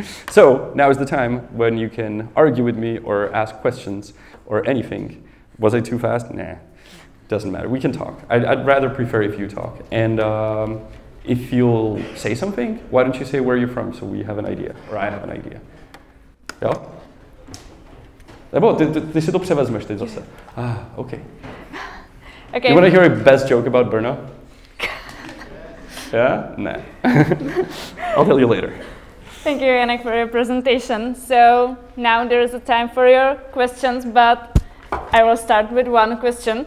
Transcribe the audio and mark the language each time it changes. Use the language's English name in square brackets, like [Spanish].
[English] So now is the time when you can argue with me or ask questions or anything. Was I too fast? Nah, doesn't matter. We can talk. I'd rather prefer if you talk. And if you'll say something, why don't you say where you're from so we have an idea, or I have an idea. [Czech] Jo? Nebo ty si to převezmeš ty zase. [English] Ah, okay. Okay. You want to hear a best joke about Brno? Yeah? Nah. I'll tell you later. Thank you, Janek, for your presentation. So now there is a time for your questions, but I will start with one question.